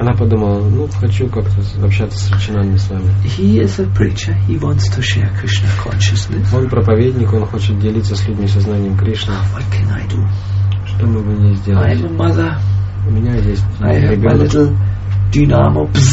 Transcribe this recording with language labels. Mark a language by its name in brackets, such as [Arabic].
[Russian] Она подумала, ну хочу как-то общаться с Сачинандой Свами. [English] He is a preacher. He wants to share Krishna consciousness. [Russian] Он проповедник, он хочет делиться с людьми сознанием Кришны. [English] What can I do? [Russian] Что мы бы не сделали? [English] I am a mother. [Russian] У меня есть ребенок. [English] I have my little dynamo.